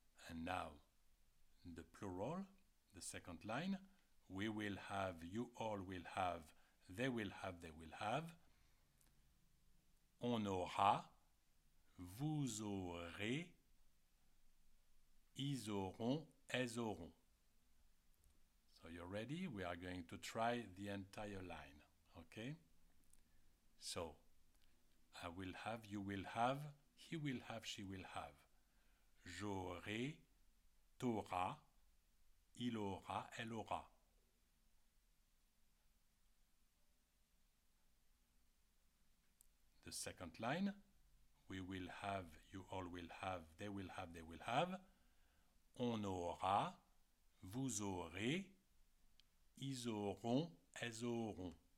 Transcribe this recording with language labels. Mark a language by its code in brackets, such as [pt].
[en] And now, the plural, the second line, we will have, you all will have, they will have, they will have, [fr] on aura, vous aurez, ils auront, elles auront. [en] So you're ready? We are going to try the entire line, okay? So, I will have, you will have, he will have, she will have. [fr] J'aurai, t'auras, il aura, elle aura. [en] The second line. We will have, you all will have, they will have, they will have. [fr] On aura, vous aurez, ils auront, elles auront.